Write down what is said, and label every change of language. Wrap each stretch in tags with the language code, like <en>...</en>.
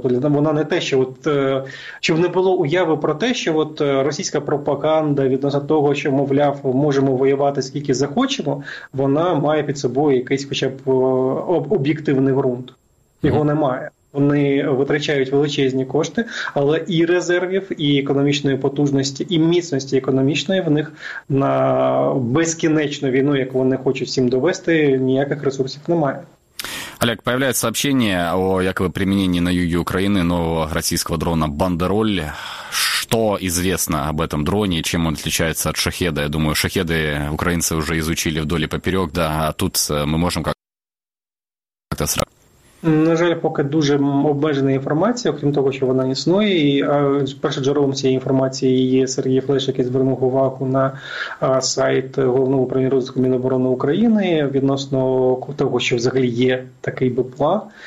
<uk>Тобто для вона не те, що от щоб не було уяви про те, що от російська пропаганда відносно того, що мовляв, можемо воювати скільки захочемо, вона має під собою якийсь хоча б об'єктивний ґрунт. Його немає. Вони витрачають величезні кошти, але і резервів, і економічної потужності, і міцності економічної в них на безкінечну війну, як вони хочуть всім довести, ніяких ресурсів немає.</uk> <ru>Олег, появляется сообщение о якобы применении на юге Украины нового российского дрона «Бандероль». Что известно об этом дроне и чем он отличается от «Шахеда»? Я думаю, «Шахеды» украинцы уже изучили вдоль и поперек, да, а тут мы можем как-то сразу.</ru> <uk>На жаль, поки дуже обмежена інформація, окрім того, що вона існує. І першим джерелом цієї інформації є Сергій Флеш, який звернув увагу на сайт Головного управління розвитку Міноборони України відносно того, що взагалі є такий БПЛА.</uk>